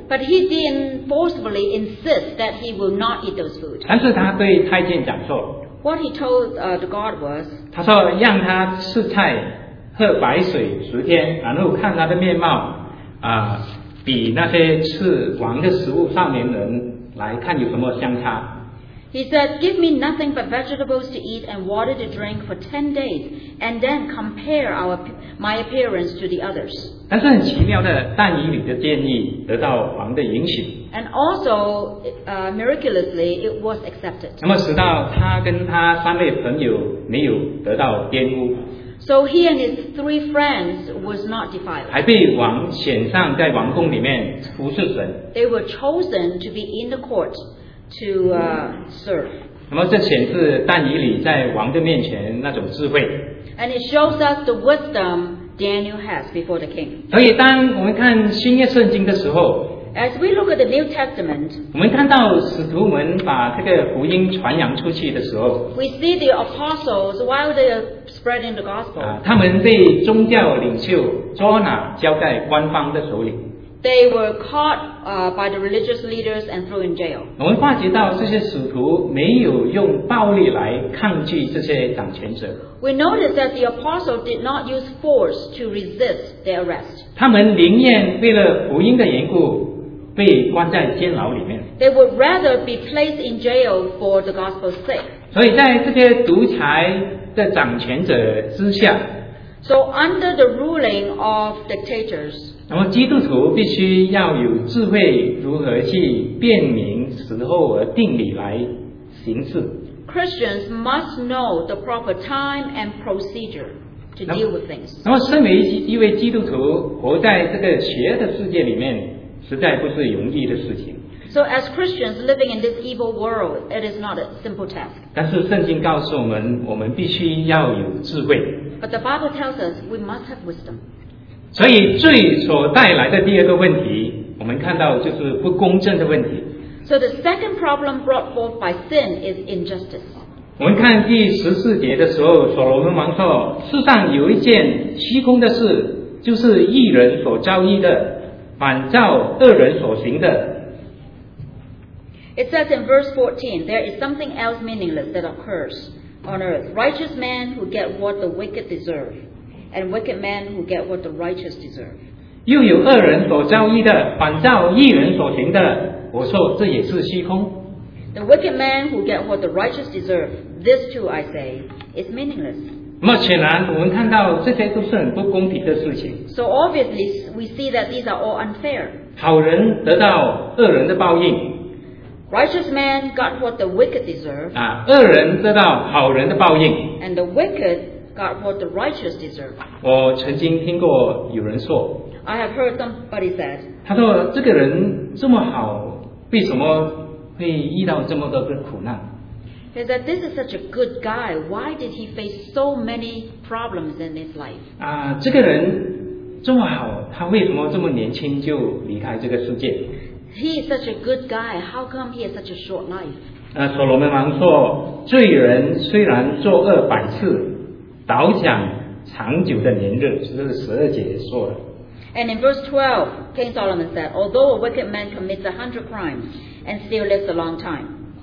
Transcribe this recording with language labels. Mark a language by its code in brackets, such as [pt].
[en] But he didn't forcefully insist that he will not eat those food. [zh] 但是他对太监讲说 [en] What he told the guard was [zh] 他说让他吃菜喝白水十天然后看他的面貌比那些吃王的食物少年人来看有什么相差。 [en] He said, give me nothing but vegetables to eat and water to drink for 10 days, and then compare my appearance to the others. [zh] 但是很奇妙的，但以理的建议得到王的允许。 [en] And also, miraculously, it was accepted. [zh] 那么使到他跟他三位朋友没有得到玷污。 [en] So he and his three friends was not defiled. [zh] 还被王选上在王宫里面服侍神。 [en] They were chosen to be in the court to serve. [zh] 那么这显示但以理在王的面前那种智慧。 [en] And it shows us the wisdom Daniel has before the king. [zh] 所以当我们看新约圣经的时候。 [en] As we look at the New Testament, [zh] 我们看到使徒们把这个福音传扬出去的时候， [en] we see the apostles while they are spreading the gospel. [zh] 他们被宗教领袖捉拿，交在官方的手里。 [en] They were caught by the religious leaders and thrown in jail. [zh] 我们发觉到这些使徒没有用暴力来抗拒这些掌权者。 [en] We noticed that the apostles did not use force to resist their arrest. [zh] 他们宁愿为了福音的缘故。被关在监牢里面。 [en] They would rather be placed in jail for the gospel's sake. [zh] 所以在这些独裁的掌权者之下。 [en] So under the ruling of dictators. [zh] 那么基督徒必须要有智慧如何去辨明时候而定理来行事。 [en] Christians must know the proper time and procedure to deal with things. [zh] 那么身为一位基督徒活在这个邪的世界里面。实在不是容易的事情。 [en] So as Christians living in this evil world, it is not a simple task. [zh] 但是圣经告诉我们，我们必须要有智慧。 [en] But the Bible tells us we must have wisdom. [zh] 所以罪所带来的第二个问题，我们看到就是不公正的问题。 [en] So the second problem brought forth by sin is injustice. [zh] 我们看第十四节的时候，所罗门王说：“世上有一件虚空的事，就是义人所遭遇的。” 反照恶人所行的。 [en] It says in verse 14, there is something else meaningless that occurs on earth. Righteous men who get what the wicked deserve, and wicked men who get what the righteous deserve. [zh] 又有恶人所遭遇的，反照义人所行的。我说这也是虚空。 [en] The wicked man who get what the righteous deserve, this too I say, is meaningless. [zh] 那么显然我们看到这些都是很不公平的事情。 [en] So obviously we see that these are all unfair. [zh] 好人得到恶人的报应。 [en] Righteous man got what the wicked deserve. [zh] 恶人得到好人的报应。 [en] And the wicked got what the righteous deserve. [zh] 我曾经听过有人说。 [en] I have heard somebody said. [zh] 他说这个人这么好，为什么会遇到这么多的苦难？ [en] He said, this is such a good guy. Why did he face so many problems in his life? [zh] 这个人这么好，他为什么这么年轻就离开这个世界？ [en] He is such a good guy. How come he has such a short life? [zh] 所罗门王说，罪人虽然作恶百次，倒想长久的年日，这是十二节说的。 [en] And in verse 12, King Solomon said, although a wicked man commits 100 crimes and still lives a long time,